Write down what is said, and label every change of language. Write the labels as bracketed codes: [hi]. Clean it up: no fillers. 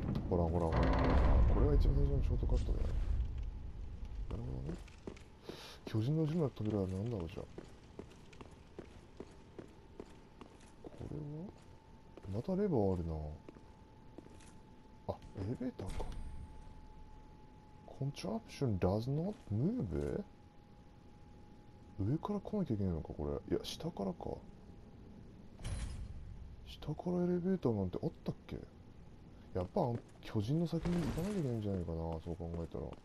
[ja] ほらほらほら、これが一番最初のショートカットだよ。なるほどね。巨人の順路の扉は何だろう。じゃあこれはまたレバーあるな。あ、レベーターか。 [en] Contraption does not move? [ja] 上から来なきゃいけないのか、これ。いや、下からか。下からエレベーターなんてあったっけ？やっぱ巨人の先に行かなきゃいけないんじゃないかな、そう考えたら。